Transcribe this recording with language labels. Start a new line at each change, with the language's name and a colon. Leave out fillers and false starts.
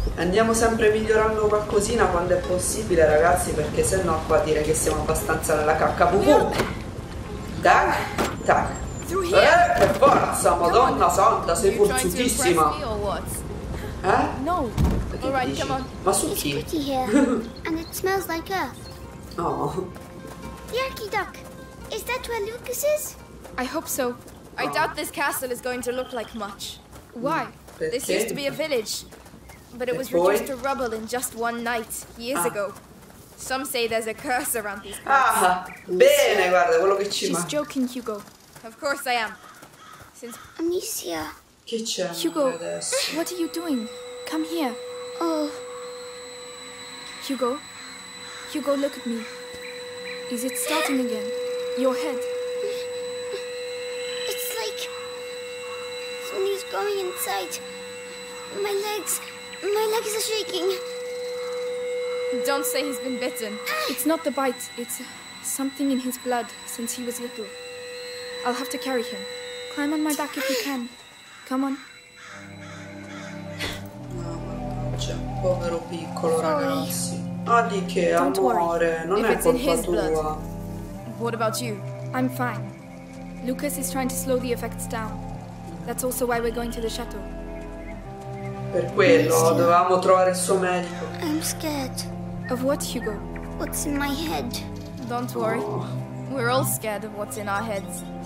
Italian: Andiamo sempre migliorando qualcosina quando è possibile, ragazzi, perché sennò qua dire che siamo abbastanza nella cacca. Tac. Tac. Che forza, Madonna santa, sei forzutissima. Eh? No.
English: All right, come on.
Italian: Ma su chi?
English: It's pretty here. And it smells like earth. Oh. Yucky duck. Is that where Lucas is? I hope so. I doubt this castle is going to look like much. Why?
Italian: Perché?
English: This used to be a village, but it was reduced to rubble in just one night, years ago. Some say there's a curse around these parts.
Italian: Ah, bene, guarda, quello che ci manca.
English: She's joking, Hugo. Of course I am. Since... Amicia.
Italian: Che c'è? Hugo, adesso?
English: What are you doing? Come here. Oh. Hugo? Hugo, look at me. Is it starting again? Your head? He's going inside. My legs are shaking. Don't say he's been bitten. It's not the bite. It's something in his blood since he was little. I'll have to carry him. Climb on my back if you can. Come on.
Italian: Mamma mia, povero piccolo ragazzo. Ah, di che, amore? Non
English: if
Italian: è
English: it's
Italian: colpa
English: in his
Italian: tua.
English: Blood, what about you? I'm fine. Lucas is trying to slow the effects down. That's also why we're going to the chateau.
Italian: Per quello dovevamo trovare il suo medico.
English: I'm scared. Of what, Hugo? What's in my head? Don't worry. We're all scared of what's in our heads.